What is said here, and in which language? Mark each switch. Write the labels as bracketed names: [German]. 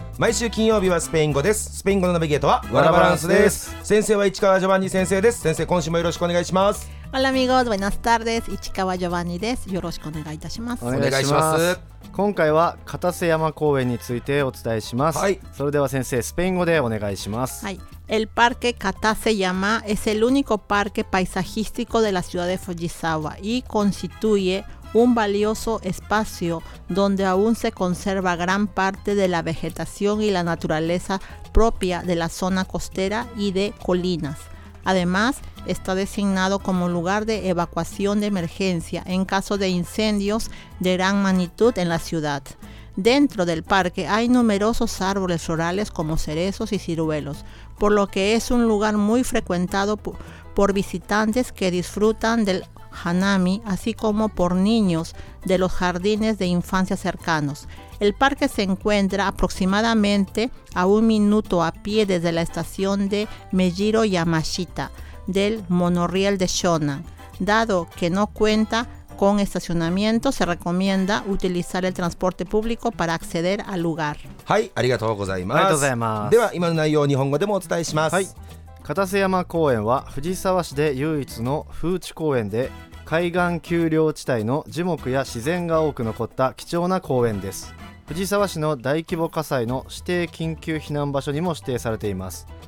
[Japanese] 毎週金曜日はスペイン語です。スペイン語のナビゲートはワラバランスです。先生は市川ジョバンニ先生です。先生、今週もよろしくお願いします。 [Spanish] ホラミゴーズバイナスタール [Japanese] です。市川ジョバンニです。よろしくお願いいたします。お願いします。今回は片瀬山公園についてお伝えします。はい、それでは先生、スペイン語でお願いします。 [Spanish] はい、El parque Katase-yama es el único parque paisajístico de la ciudad de Fujisawa y constituye un valioso espacio donde aún se conserva gran parte de la vegetación y la naturaleza propia de la zona costera y de colinas. Además, está designado como lugar de evacuación de emergencia en caso de incendios de gran magnitud en la ciudad. Dentro del parque hay numerosos árboles florales como cerezos y ciruelos, por lo que es un lugar muy frecuentado por visitantes que disfrutan del hanami, así como por niños de los jardines de infancia cercanos. El parque se encuentra aproximadamente a un minuto a pie desde la estación de Mejiro Yamashita del monorriel de Shonan. Dado que no cuenta con estacionamiento, se recomienda utilizar el transporte público para acceder al lugar. [Japanese] はい、ありがとうございます。ありがとうございます。では今の内容を日本語でもお伝えします。はい。片瀬山公園は藤沢市で唯一の風致公園で、海岸丘陵地帯の樹木や自然が多く残った貴重な公園です。藤沢市の大規模火災の指定緊急避難場所にも指定されています。